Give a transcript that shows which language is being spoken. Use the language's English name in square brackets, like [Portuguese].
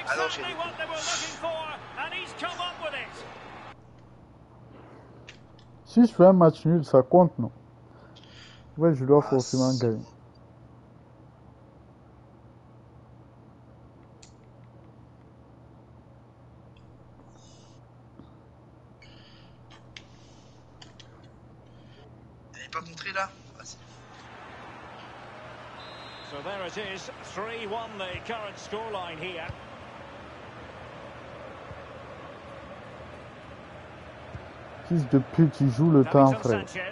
[English] Exactly what they were looking for, and he's come up with it. [French] Si je fais un match nul, ça compte, non? Ouais, je dois forcément gagner. Il est pas contré là. [English] So there it is, 3-1 the current scoreline here. [French] Fils de pute, il joue le temps, frère.